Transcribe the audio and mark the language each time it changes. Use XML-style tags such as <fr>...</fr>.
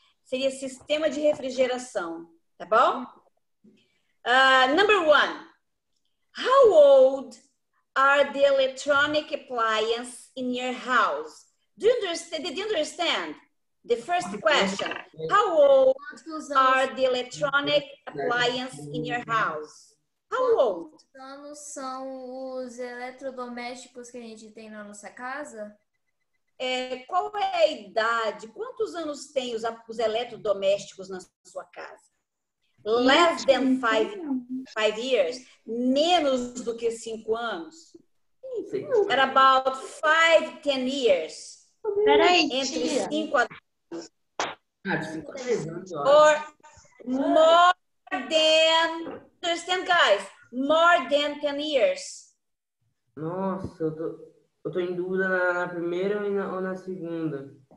<pt>Seria sistema de refrigeração, tá bom?</pt> <en>Number one. How old are the electronic appliances in your house? Do you understand? Did you understand? The first question, how old are the electronic appliances in your house? How old?</en> <pt>Quantos anos são os eletrodomésticos que a gente tem na nossa casa? Qual é a idade? Quantos anos tem os eletrodomésticos na sua casa?</pt> <en>Less than five years.</en> <pt>Menos do que 5 anos.</pt> <en>At about 5-10 years.</en> <pt>Entre 5 a...</pt> <en>Or more than, understand guys, more than 10 years.</en> <pt>Nossa, eu tô em dúvida na primeira ou na segunda.</pt>